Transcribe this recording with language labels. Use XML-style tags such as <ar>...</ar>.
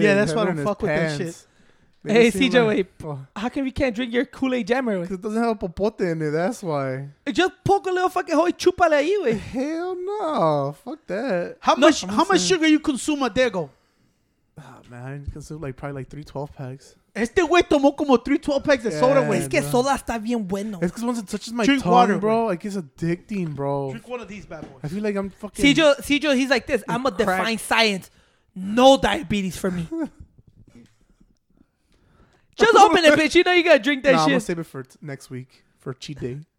<en>Yeah, that's why I don't fuck with that shit. Hey, CJ, wait. How come you can't drink your Kool-Aid jammer? Because it doesn't have a popote in it. That's why. Just poke a little fucking</en> <es>hoy chupale ahí, wey.</es> <en>Hell no. Fuck that. How much sugar you consume a day ago? Man, I consume like probably like 3 12 packs.</en> <es>Este güey tomó como 3 12 packs de soda, güey. Es que soda está bien bueno.</es> <en>It's because once it touches my drink tongue, water, bro, it gets addicting, bro. Drink one of these bad boys. I feel like I'm fucking... CJ, he's like this. I'm a defined science. No diabetes for me. Just open it, bitch. You know you gotta drink that shit. I'm gonna save it for next week for cheat day.</en>